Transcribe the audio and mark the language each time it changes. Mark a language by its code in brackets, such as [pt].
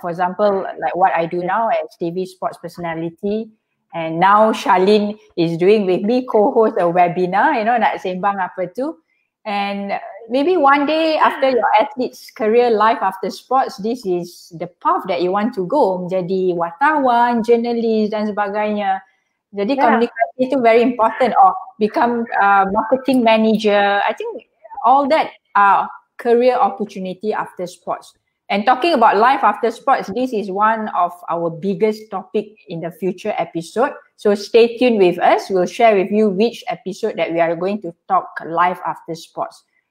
[en] For example, like what I do now as TV sports personality, and now Shalin is doing with me, co-host a webinar, you know, [ms] nak sembang apa tu. [en] And maybe one day after your athlete's career life after sports, this is the path that you want to go. [ms] Jadi wartawan, journalist dan sebagainya. Jadi komunikasi itu [en] very important. Or become a marketing manager. I think all that are career opportunity after sports. And talking about life after sports, this is one of our biggest topic in the future episode. So stay tuned with us. We'll share with you which episode that we are going to talk life after sports.